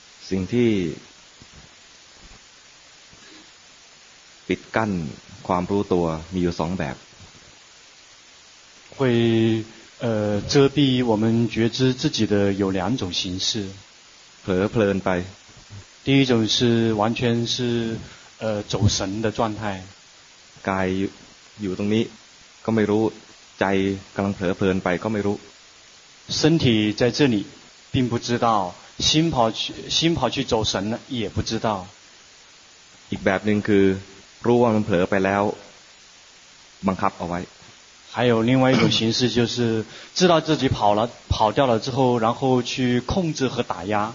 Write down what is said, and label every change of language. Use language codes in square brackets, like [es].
[th] สิ่งที่ปิดกั้นความรู้ตัวมีอยู่สองแบบ [zh] 会遮蔽我们觉知自己的有两种形式 [th] เผลอเพลินไป [zh] 第一种是完全是走神的状态 [th] กายอยู่ตรงนี้ก็ไม่รู้ใจกำลังเผลอเพลินไปก็ไม่รู้ [zh] 身体在这里并不知道心跑去走神也不知道 [th] อีกแบบหนึ่งคือรู้ว่ามันเผลอไปแล้วบังคับเอาไว้ [zh] 还有另外一种形式就是知道自己跑了跑掉了之后然后去控制和打压